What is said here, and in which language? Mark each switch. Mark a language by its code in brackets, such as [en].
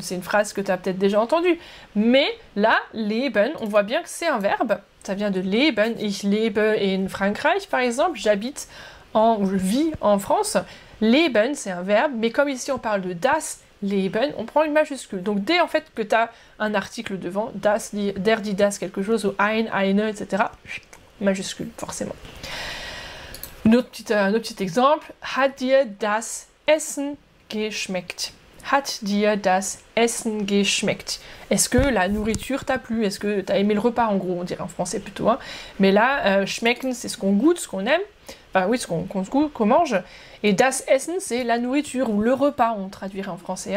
[fr] C'est une phrase que tu as peut-être déjà entendue. Mais là, Leben, on voit bien que c'est un verbe. Ça vient de Leben. [de] Ich lebe in Frankreich, [fr] par exemple. J'habite en, je vis en France. Leben, c'est un verbe. Mais comme ici, on parle de das Leben, on prend une majuscule. Donc dès en fait que tu as un article devant, das, der, die, das, quelque chose, ou ein, eine, etc., majuscule, forcément. Notre petit exemple, [de] hat dir das Essen geschmeckt? Hat dir das Essen geschmeckt? [fr] Est-ce que la nourriture t'a plu? Est-ce que t'as aimé le repas, en gros, on dirait en français plutôt, hein? Mais là, schmecken, c'est ce qu'on goûte, ce qu'on aime. Enfin oui, ce qu'on mange. Et das Essen, c'est la nourriture ou le repas, on traduirait en français.